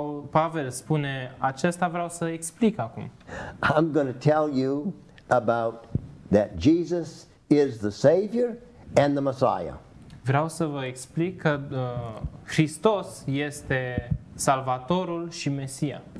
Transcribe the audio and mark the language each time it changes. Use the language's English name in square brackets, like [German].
[Romanian] Pavel spune, "Acesta vreau să explic acum." [English] I'm going to tell you about that Jesus is the Savior and the Messiah. [Romanian] Vreau să vă explic că Hristos este Salvatorul și Mesia.